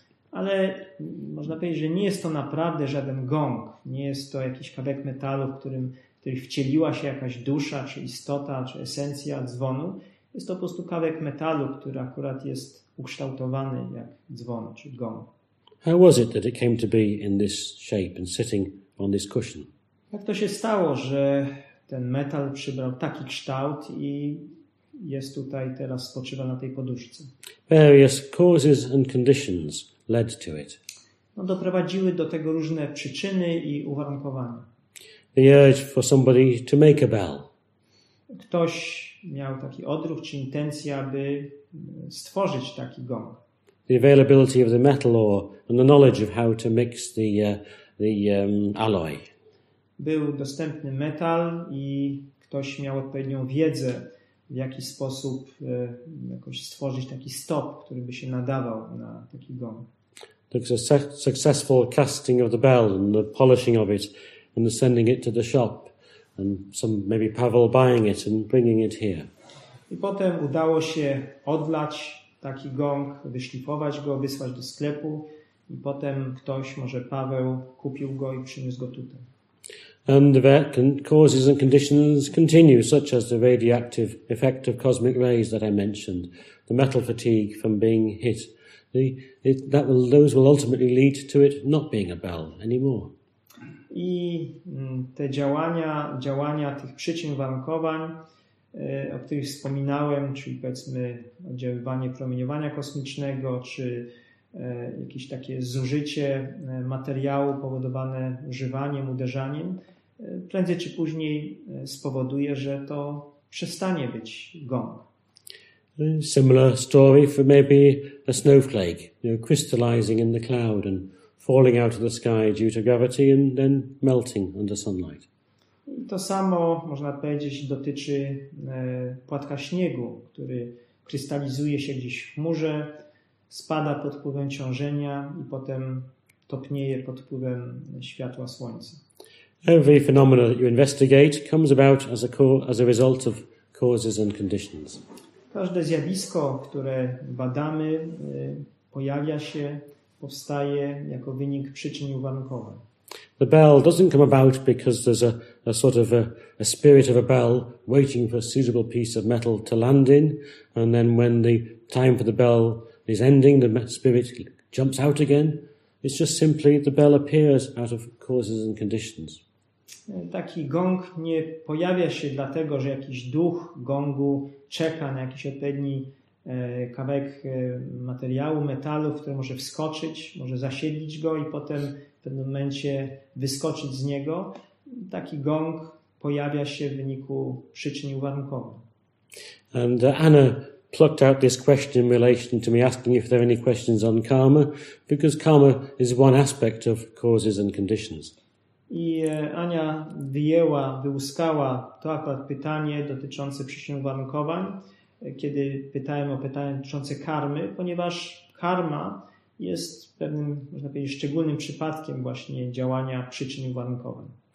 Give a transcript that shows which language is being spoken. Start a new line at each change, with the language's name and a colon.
Polish: Ale można powiedzieć, że nie jest to naprawdę żaden gong. Nie jest to jakiś kawałek metalu, w który wcieliła się jakaś dusza, czy istota, czy esencja dzwonu. Jest to po prostu kawałek metalu, który akurat jest ukształtowany jak dzwon, czy gong.
English: How was it that it came to be in this shape and sitting on this cushion?
Polish: Jak to się stało, że ten metal przybrał taki kształt i jest tutaj teraz spoczywa na tej poduszce?
English: Various causes and conditions led to it.
Polish: No, doprowadziły do tego różne przyczyny i uwarunkowania.
English: The urge for somebody to make a bell.
Polish: Ktoś miał taki odruch czy intencję, aby stworzyć taki gong.
English: The availability of the metal ore and the knowledge of how to mix the alloy.
Polish: Był dostępny metal i ktoś miał odpowiednią wiedzę, w jaki sposób jakoś stworzyć taki stop, który by się nadawał na taki gong.
English: The successful casting of the bell and the polishing of it and the sending it to the shop and some maybe Pavel buying it and bringing it here.
Polish: I potem udało się odlać taki gong, wyszlifować go, wysłać do sklepu i potem ktoś, może Paweł, kupił go i przyniósł go tutaj.
English: And the causes and conditions continue, such as the radioactive effect of cosmic rays that I mentioned, the metal fatigue from being hit. Those will ultimately lead to it not being a bell anymore.
Polish: I te działania tych przyczyn warunkowań, o których wspominałem, czyli powiedzmy oddziaływanie promieniowania kosmicznego, czy jakieś takie zużycie materiału powodowane używaniem, uderzaniem, prędzej czy później spowoduje, że to przestanie być gong.
English: Similar story for maybe a snowflake, you know, crystallizing in the cloud and falling out of the sky due to gravity and then melting under sunlight.
Polish: To samo można powiedzieć dotyczy płatka śniegu, który krystalizuje się gdzieś w chmurze, spada pod wpływem ciążenia i potem topnieje pod wpływem światła słońca.
English: Every phenomenon that you investigate comes about as a result of causes and conditions.
Polish: Każde zjawisko, które badamy, pojawia się, powstaje jako wynik przyczyn uwarunkowań.
English: The bell doesn't come about because there's a sort of a spirit of a bell waiting for a suitable piece of metal to land in, and then when the time for the bell is ending, the spirit jumps out again. It's just simply the bell appears out of causes and conditions.
Polish: Taki gong nie pojawia się dlatego, że jakiś duch gongu czeka na jakiś odpowiedni kawałek materiału, metalu, który może wskoczyć, może zasiedlić go i potem w pewnym momencie wyskoczyć z niego. Taki gong pojawia się w wyniku przyczyn uwarunkowych.
English: And Anna plucked out this question in relation to me asking if there are any questions on karma, because karma is one aspect of causes and conditions.
Polish: I Ania wyjęła, wyłuskała to akurat pytanie dotyczące przyczyn uwarunkowań, kiedy pytałem o pytanie dotyczące karmy, ponieważ karma jest pewnym, można powiedzieć, szczególnym przypadkiem właśnie działania przyczyn uwarunkowań.